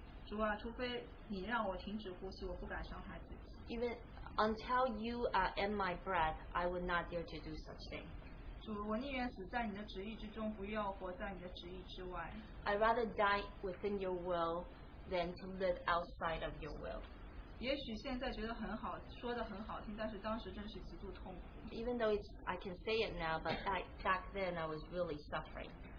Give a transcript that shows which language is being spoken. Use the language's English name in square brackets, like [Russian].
[Chinese] 主啊, 除非你让我停止呼吸, 我不敢伤害自己, [English] even until you end my breath, I would not dare to do such thing. [Chinese] 主, 我宁愿死在你的旨意之中, 不要活在你的旨意之外, [English] I'd rather die within your will than to live outside of your will. [Chinese] 也许现在觉得很好, 说得很好听, [English] even though I can say it now, but back then I was really suffering.